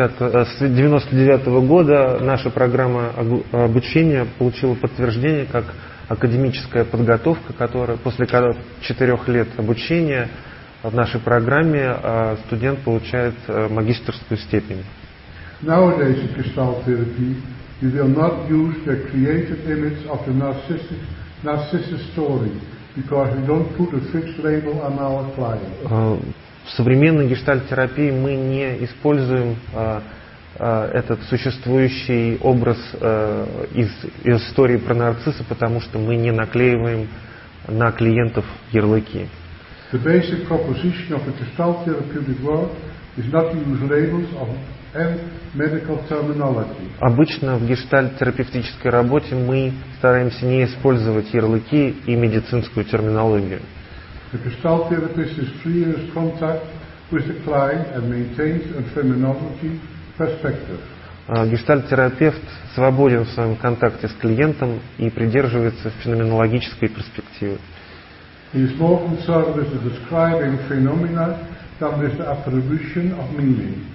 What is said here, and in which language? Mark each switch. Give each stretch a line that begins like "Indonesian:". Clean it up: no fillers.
Russian: С 99 года наша программа обучения получила подтверждение как академическая подготовка, которая после 4 лет обучения в нашей программе студент получает магистерскую степень.
English: Nowadays, in Gestalt therapy, you will not use the created image of the narcissist story, because we don't put a fixed label on our client.
Russian: В современной гештальт-терапии мы не используем этот существующий образ из истории про нарцисса, потому что мы не наклеиваем на клиентов ярлыки.
English: The basic proposition of the gestalt therapeutic world is not to use labels of and medical terminology.
Russian: Обычно в гештальт-терапевтической работе мы стараемся не использовать ярлыки и медицинскую терминологию.
English: The gestalt therapist is free in his contact with the client and maintains a terminology perspective.
Russian: Гештальт-терапевт свободен в своем контакте с клиентом и придерживается феноменологической перспективы.
English: He is more concerned with the describing phenomena than with the attribution of meaning.